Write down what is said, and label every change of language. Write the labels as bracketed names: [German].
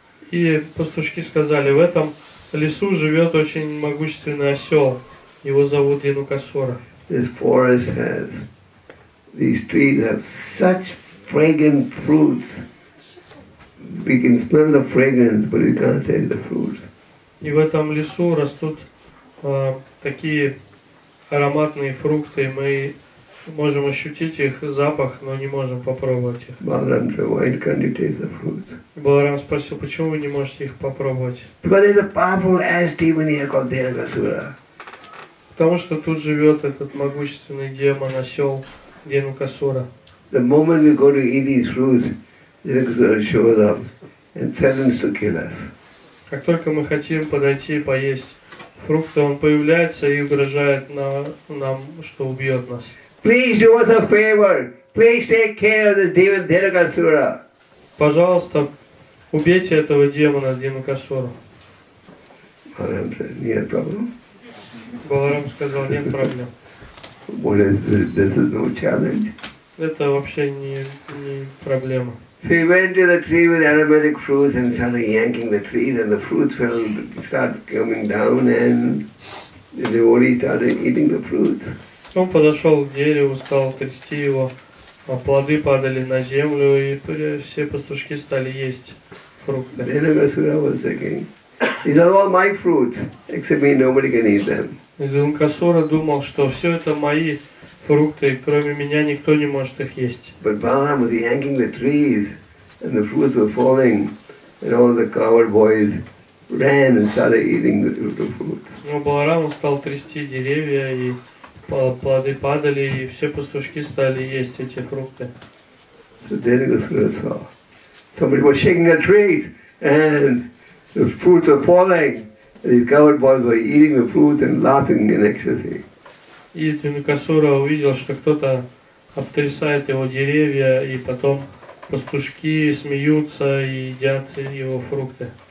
[Russian] И пастушки сказали, в этом лесу живет очень могущественный осел. Его зовут Янукасура. [English] This forest has, these trees have such fragrant fruits. We can smell the fragrance, but we can't taste the fruits. [Russian] И в этом лесу растут такие ароматные фрукты. Мы можем ощутить их запах, но не можем попробовать их. [English] Balaram said, why can't you taste the fruits? [Russian] Баларам спросил, почему вы не можете их попробовать? [English] Because there's a powerful ass demon here called Janakasura. [Russian] Потому что тут живет этот могущественный демон, осел Янукасура. [English] The moment we go to eat these fruits, Janakasura shows up and threatens to kill us. [Russian] Как только мы хотим подойти и поесть фрукты, он появляется и угрожает нам, что убьет нас. [English] Please do us a favor. Please take care of this demon Janakasura. [Russian] Пожалуйста, убейте этого демона Янукасуру. [English] Balaram said, [Russian] нет проблем. Баларам сказал, нет проблем. [English] What is this? This is no challenge. [Russian] Это вообще не проблема. [English] So he went to the tree with aromatic fruits and started yanking the trees and the fruits fell, started coming down and the devotee started eating the fruits. [Russian] Он подошел к дереву, стал трясти его, а плоды падали на землю и все пастушки стали есть фрукты. [English] Then Janakasura was thinking, these are all my fruits, except me, nobody can eat them. [Russian] Янукасура думал, что все это мои фрукты, кроме меня никто не может их есть. [English] But Balaram was yanking the trees, and the fruits were falling, and all the cowherd boys ran and started eating the fruits. [Russian] Но Баларам стал трясти деревья, и плоды падали, и все пастушки стали есть эти фрукты. [English] So then it was saw. Somebody was shaking the trees, and the fruits were falling, and these cowherd boys were eating the fruits and laughing in ecstasy. [Russian] И Янукасура увидел, что кто-то обтрясает его деревья, и потом пастушки смеются и едят его фрукты.